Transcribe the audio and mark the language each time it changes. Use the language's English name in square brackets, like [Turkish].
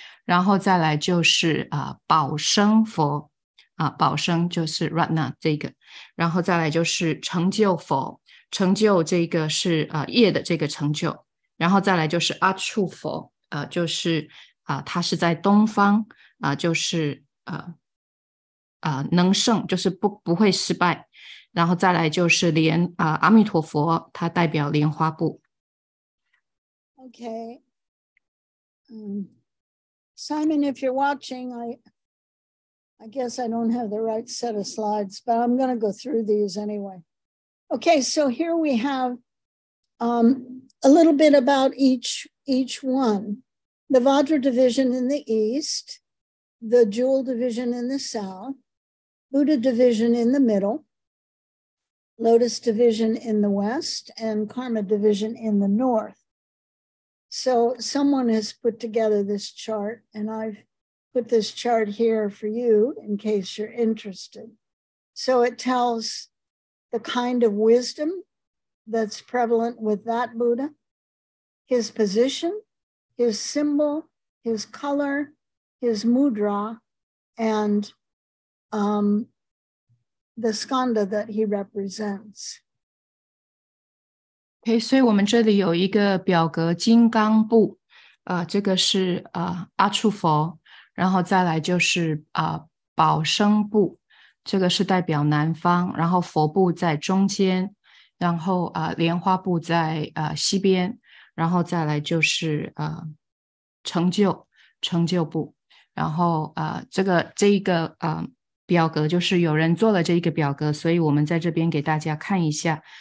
[Chinese] 然后再来就是宝生佛宝生就是 Ratna 这个，然后再来就是成就佛，成就这个是业的这个成就，然后再来就是阿处佛就是它是在东方就是能胜，就是 不会失败，然后再来就是莲阿弥陀佛，它代表莲花部。 [English] OK Simon, if you're watching, I guess I don't have the right set of slides, but I'm going to go through these anyway. Okay, so here we have a little bit about each one. The Vajra division in the east, the Jewel division in the south, Buddha division in the middle, Lotus division in the west, and Karma division in the north. So someone has put together this chart, and I've put this chart here for you in case you're interested. So it tells the kind of wisdom that's prevalent with that Buddha, his position, his symbol, his color, his mudra, and the skanda that he represents. [Chinese] Okay, 所以我们这里有一个表格金刚部这个是阿处佛，然后再来就是宝生部，这个是代表南方，然后佛部在中间，然后莲花部在西边，然后再来就是成就部，然后这个表格就是有人做了这一个表格，所以我们在这边给大家看一下。